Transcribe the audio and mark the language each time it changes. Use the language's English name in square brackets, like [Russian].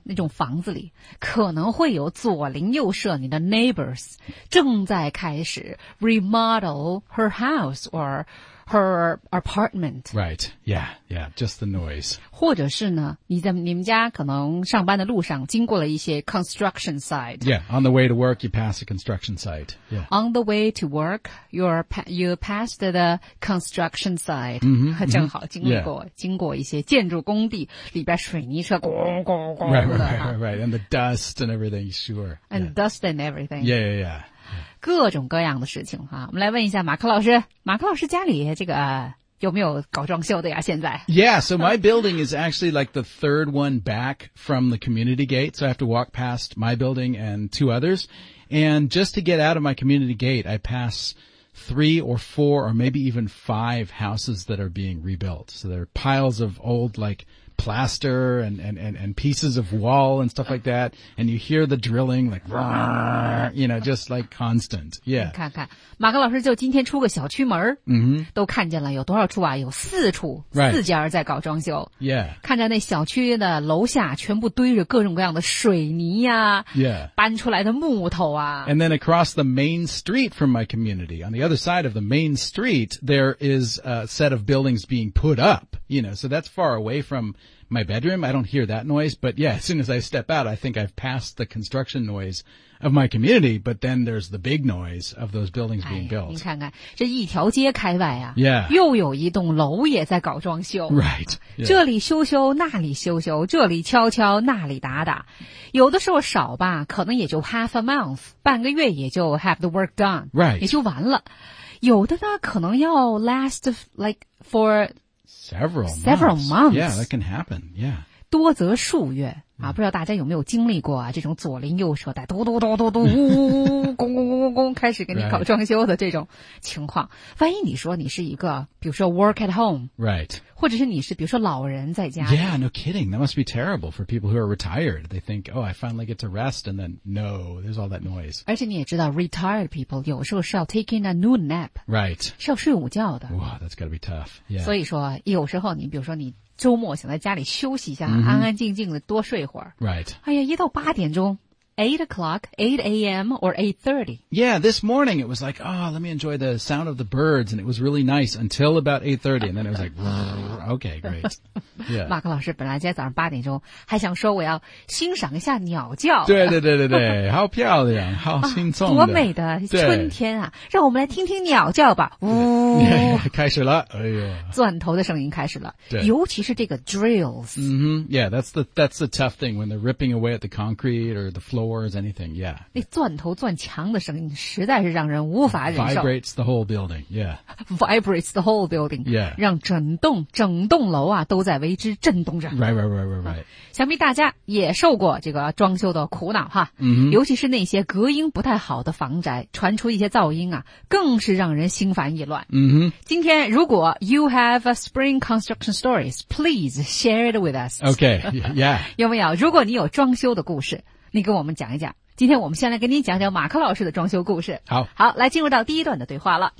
[Chinese] 那种房子里，可能会有左邻右舍你的 neighbors 正在开始 [English] remodel her house or her apartment. Right, yeah, yeah, just the noise. [Chinese] 或者是呢，你们家可能上班的路上经过了一些 [English] construction site. Yeah, on the way to work, you pass a construction site. Yeah. On the way to work, you passed the construction site. Mm-hmm, mm-hmm. [Chinese] 正好经过一些建筑工地，里边水泥车咕咕咕咕的。 [English] Right, and the dust and everything, sure. And、yeah. dust and everything. Yeah, yeah, yeah. [Chinese] 各种各样的事情哈，我们来问一下马克老师。马克老师家里这个有没有搞装修的呀？现在 [English] ？Yeah, so my building is actually like the third one back from the community gate. So I have to walk past my building and two others, and just to get out of my community gate, I pass three or four or maybe even five houses that are being rebuilt. So there are piles of old like. Plaster and pieces of wall and stuff like that, and you hear the drilling like, you know, just like constant. Yeah. [Chinese] 看看马克老师就今天出个小区门、 [English] mm-hmm. [Chinese] 都看见了有多少处啊？有四处、 [English] right. [Chinese] 四家在搞装修。 [English] Yeah. [Chinese] 看着那小区的楼下全部堆着各种各样的水泥呀、啊、 [English] ，Yeah. [Chinese] 搬出来的木头啊。 [English] And then across the main street from my community, on the other side of the main street, there is a set of buildings being put up. You know, so that's far away from. My bedroom, I don't hear that noise, but yeah, as soon as I step out, I think I've passed the construction noise of my community, but then there's the big noise of those buildings being built. [Chinese] 你看看，这一条街开外啊， [English] yeah. [Chinese] 又有一栋楼也在搞装修。 [English] Right.、Yeah. [Chinese] 这里修修，那里修修，这里敲敲，那里打打。有的时候少吧，可能也就 [English] half a month, [Chinese] 半个月也就 [English] have the work done. Right. [Chinese] 也就完了。有的呢，可能要 [English] last like for... Several months. Yeah, that can happen. Yeah. [Chinese] 多则数月、 [English] yeah. [Chinese] 啊，不知道大家有没有经历过啊？这种左邻右舍在嘟嘟嘟嘟嘟呜呜呜咣咣咣咣咣开始给你搞装修的这种情况。万一你说你是一个，比如说 [English] work at home, right? [Chinese] 或者是你是比如说老人在家。 [English] Yeah, no kidding. That must be terrible for people who are retired. They think, oh, I finally get to rest, and then no, there's all that noise. [Chinese] 而且你也知道 ， [English] retired people [Chinese] 有时候是要 [English] taking a noon nap, right? [Chinese] 是要睡午觉的。 [English] 哇、wow, that's gotta be tough. Yeah. [Chinese] 所以说，有时候你比如说你。周末想在家里休息一下、 [English] mm-hmm. [Chinese] 安安静静的多睡会儿。 [English] Right. [Chinese] 哎呀一到八点钟 , [English] 8 o'clock, 8 a.m. or 8:30. Yeah, this morning it was like, oh, let me enjoy the sound of the birds, and it was really nice until about 8:30, and then it was like, okay, great. Yeah. [Chinese] 马克老师本来今天早上八点钟还想说我要欣赏一下鸟叫。对对对对对好漂亮好轻松的、啊。多美的春天啊让我们来听听鸟叫吧。开始了哎呦。钻头的声音开始了。对。尤其是这个 drills。 [English] Mm-hmm. Yeah, that's the tough thing when they're ripping away at the concrete or the floors, anything, yeah. [Chinese] 那钻头钻墙的声音实在是让人无法忍受。 [English] Vibrates the whole building, yeah. Vibrates the whole building, yeah. [Chinese] 让整栋楼啊都在为之震动着。 [English] Right. [Chinese] 想必大家也受过这个装修的苦恼哈。 [English] Mm-hmm. [Chinese] 尤其是那些隔音不太好的房宅传出一些噪音啊更是让人心烦意乱。 [English] Mm-hmm. [Chinese] 今天如果 [English] you have a spring construction stories, please share it with us. Okay, yeah. [Chinese] 有没有？如果你有装修的故事，你跟我们讲一讲。今天我们先来给你讲讲马克老师的装修故事。好。好，来进入到第一段的对话了。